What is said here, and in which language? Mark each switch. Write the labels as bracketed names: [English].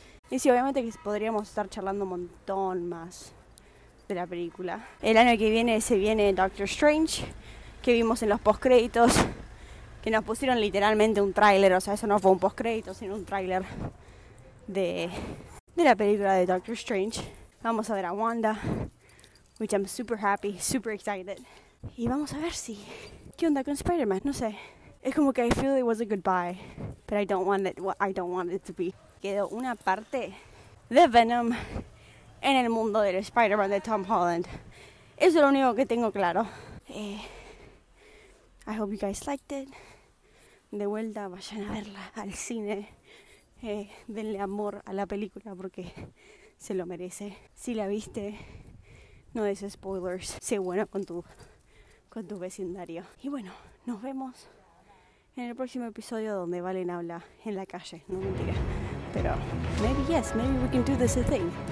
[Spanish] Y sí, obviamente que podríamos estar charlando un montón más de la película. El año que viene se viene Doctor Strange, que vimos en los postcréditos. Que nos pusieron literalmente un tráiler, o sea, eso no fue un postcrédito, sino un tráiler de la película de Doctor Strange. Vamos a ver a Wanda, [English] which I'm super happy, super excited. [Spanish] Y vamos a ver si... ¿Qué onda con Spider-Man? No sé. Es como que [English] I feel it was a goodbye, but I don't want it to be. [Spanish] Quedó una parte de Venom en el mundo del Spider-Man de Tom Holland. Eso es lo único que tengo claro. [English] I hope you guys liked it. [Spanish] De vuelta, vayan a verla al cine. Denle amor a la película porque se lo merece. Si la viste, no des spoilers. Sé bueno con tu vecindario. Y bueno, nos vemos en el próximo episodio donde Valen habla en la calle. No mentira. [English] Pero, maybe yes, maybe we can do this a thing.